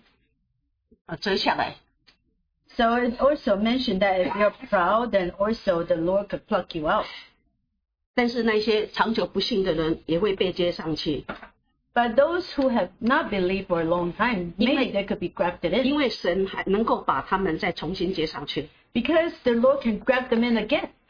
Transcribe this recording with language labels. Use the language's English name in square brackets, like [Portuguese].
[Chinese] 他说你们如果是自高，然后呢，神也会把你们折下来。 [English] So it also mentioned that if you're proud, then also the Lord could pluck you out. [Chinese] 但是那些长久不幸的人也会被接上去。 [English] But those who have not believed for a long time, maybe they could be grafted in. [Chinese] 因为神还能够把他们再重新接上去。 [English] Because the Lord can graft them in again.